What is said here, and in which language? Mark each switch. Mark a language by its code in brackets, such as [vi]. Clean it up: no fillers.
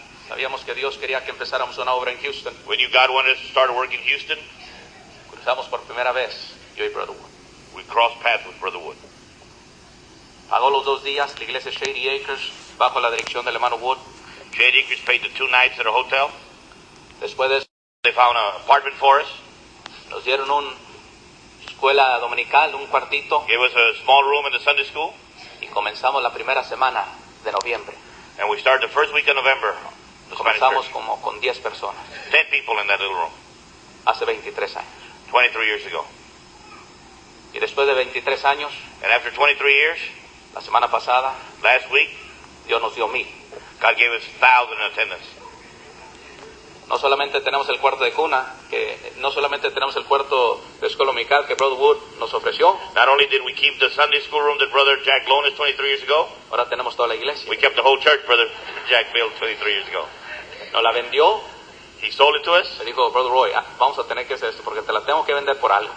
[es] Sabíamos que Dios quería que empezáramos una obra en Houston. [en] We knew God wanted us to start a work in Houston. [es] Cruzamos por primera vez, yo y Brother Wood. [en] We crossed paths with Brother Wood. [es] Pagó los dos días la iglesia Shady Acres bajo la dirección del hermano Wood. [en] Shady Acres paid the two nights at a hotel. [es] Después de eso, [en] they found an apartment for us. [es] Nos dieron un escuela dominical, un cuartito. [en] It was a small room in the Sunday school. [es] Y comenzamos la primera semana de noviembre. [en] And we started the first week of November. [es] Comenzamos como con 10 personas. [en] 10 people in that little room. [es] Hace 23 años. [en] 23 years ago. [es] Y después de 23 años. [en] And after 23 years. [es] La semana pasada. [en] Last week. [es] Dios nos dio 1,000. [en] God gave us 1,000 in attendance. [es] No solamente tenemos el cuarto de cuna, que no solamente tenemos el cuarto de escuela dominical que Brother Wood nos ofreció. [en] Not only did we keep the Sunday school room that Brother Jack loaned us 23 years ago. [es] Ahora tenemos toda la iglesia. [en] We kept the whole church Brother Jack built 23 years ago. [es] Nos la vendió. [en] He sold it to us. [es] Le dijo, Brother Roy, vamos a tener que hacer esto porque te la tengo que vender por algo.